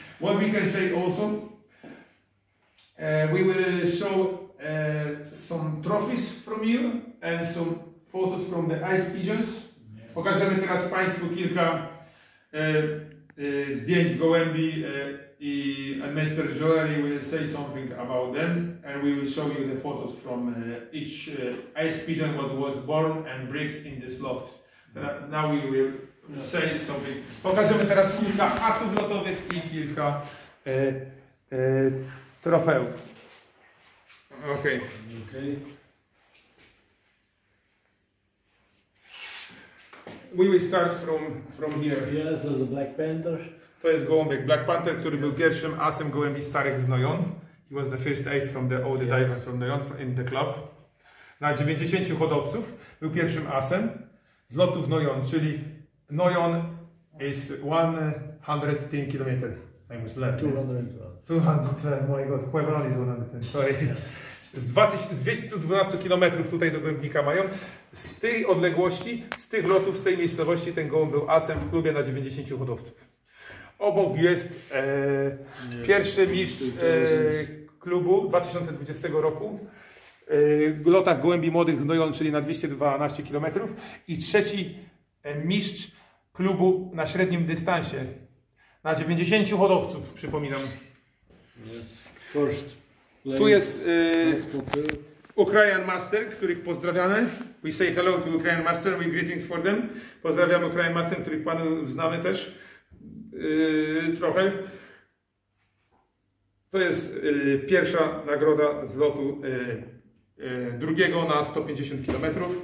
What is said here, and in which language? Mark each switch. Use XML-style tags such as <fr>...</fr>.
<en>What we can say also, we will show some trophies from you and some photos from the ice pigeons. Yeah.</en> <pl>Pokażemy teraz Państwu kilka zdjęć gołębi</pl> <en>and Mr. Joeri will say something about them and we will show you the photos from each ice pigeon that was born and bred in this loft. Now we will say something.</en> <pl>Pokażemy teraz kilka asów lotowych i kilka trofeów.</pl> <en>Okay. We will start from here. Yes, the Black Panther.</en> <pl>To jest gołąbek Black Panther, który był pierwszym asem gołębi starych z Noyon.</pl> <en>He was the first ace from the old divers from Noyon in the club.</en> <pl>Na 90 hodowców był pierwszym asem z lotów Noyon, czyli Noyon</pl> <en>is 110 km. I must learn. 212. My God, Quaveron is 110. Sorry.</en> <pl>Z 212 km tutaj do gołębnika mają. Z tej odległości, z tych lotów, z tej miejscowości ten gołąb był asem w klubie na 90 hodowców. Obok jest pierwszy mistrz klubu 2020 roku w lotach gołębi młodych z Noyon, czyli na 212 km i trzeci mistrz klubu na średnim dystansie na 90 hodowców, przypominam.</pl> <en>Yes. First.</en> <pl>Tu jest Ukrainian Master, których pozdrawiamy.</pl> <en>We say hello to Ukrainian Master, we greetings for them.</en> <pl>Pozdrawiamy Ukrainian Master, których panu znamy też trochę. To jest pierwsza nagroda z lotu drugiego na 150 km.</pl>